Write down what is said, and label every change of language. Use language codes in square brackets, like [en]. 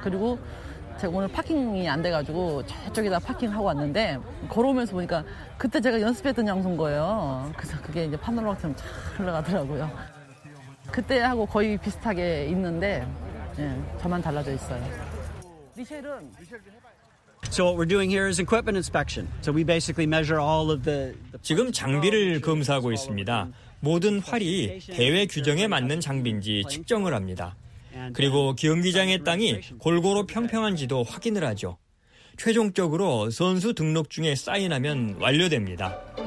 [ko] 그리고 제가 오늘 파킹이 안 돼가지고 저쪽에다 파킹하고 왔는데 걸어오면서 보니까 그때 제가 연습했던 장소인 거예요. 그래서 그게 이제 파노라마처럼 쫙 흘러가더라고요. 그때하고 거의 비슷하게 있는데 저만 달라져 있어요. 리셸은 [en] So what we're doing here is equipment inspection. So we basically measure all of the [ko] 지금 장비를 검사하고 있습니다. 모든 활이 대회 규정에 맞는 장비인지 측정을 합니다. 그리고 경기장의 땅이 골고루 평평한지도 확인을 하죠. 최종적으로 선수 등록 중에 사인하면 완료됩니다.